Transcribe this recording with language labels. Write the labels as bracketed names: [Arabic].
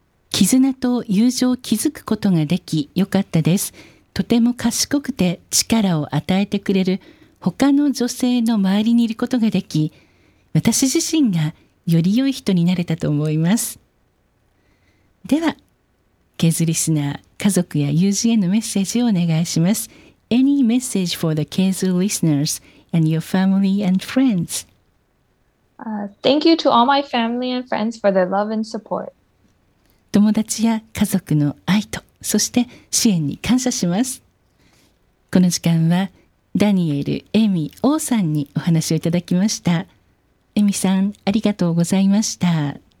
[Japanese] 絆と友情を築くことができ、よかったです。とても賢くて力を与えてくれる他の女性の周りにいることができ、私自身がより良い人になれたと思います。では、ケーズリスナー、家族や友人へのメッセージをお願いします。 [English] Any message for the Keizu listeners and your family and friends? Thank you to all my family and friends for their love and support. [Japanese] 友達や家族の愛と、そして支援に感謝します。この時間は、ダニエル・エミ・オーさんにお話をいただきました。エミさん、ありがとうございました。